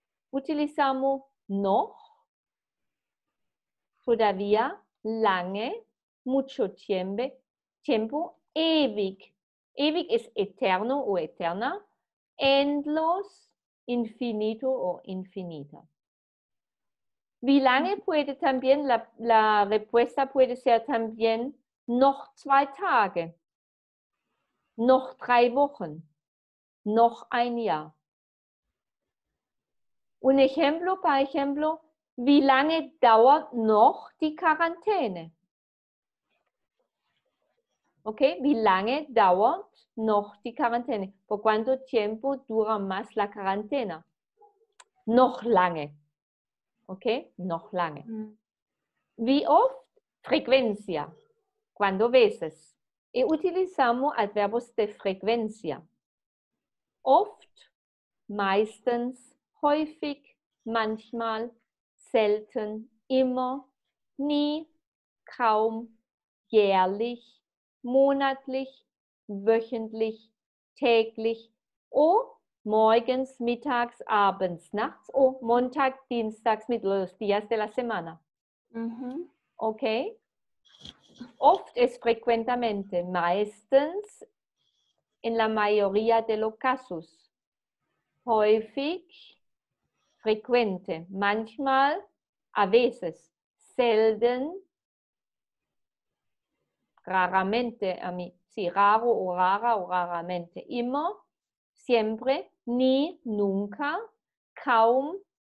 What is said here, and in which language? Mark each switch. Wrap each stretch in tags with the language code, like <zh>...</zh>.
<es>Utilizamos noch, todavía, lange, mucho tiempo, ewig. Ewig es eterno o eterna, endlos, infinito o infinita.</es> <de>¿Wie lange?</de> <es>Puede también, la respuesta puede ser también</es> <de>noch zwei Tage. Noch drei Wochen, noch ein Jahr.</de> <es>Un ejemplo, por ejemplo,</es> <de>¿wie lange dauert noch die Quarantäne? ¿Ok? ¿Wie lange dauert noch die Quarantäne?</de> <es>¿Por cuánto tiempo dura más la cuarentena?</es> <de>Noch lange. ¿Ok? Noch lange. ¿Wie oft? Frecuencia.</de> <es>¿Cuándo veces? Y utilizamos adverbios de frecuencia.</es> <de>Oft, meistens, häufig, manchmal, selten, immer, nie, kaum, jährlich, monatlich, wöchentlich, täglich, o morgens, mittags, abends, nachts, o Montag, Dienstags, Mittwoch,</de> <es>los días de la semana. Mm-hmm. Okay? Oft es frecuentemente, meistens, en la mayoría de los casos. Häufig, frecuente, manchmal, a veces, selten, raramente, a mí, sí, raro o rara o raramente, immer, siempre, nie, nunca, kaum,</es>